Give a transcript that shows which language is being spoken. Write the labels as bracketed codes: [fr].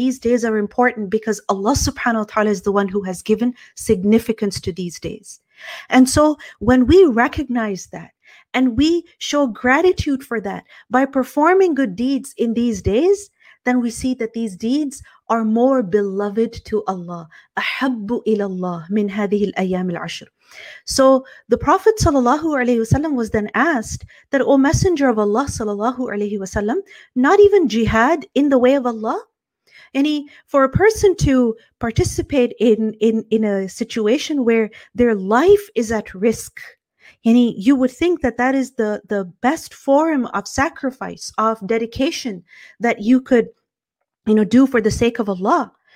[en] These days are important because Allah subhanahu wa ta'ala is the one who has given significance to these days. And so when we recognize that, and we show gratitude for that by performing good deeds in these days, then we see that these deeds are more beloved to Allah. [ar] أحب إلى الله من هذه الأيام العشر. [en] So the Prophet ﷺ was then asked that, O Messenger of Allah ﷺ, not even jihad in the way of Allah? Any, for a person to participate in a situation where their life is at risk, and you would think that that is the best form of sacrifice, of dedication that you could, you know, do for the sake of Allah.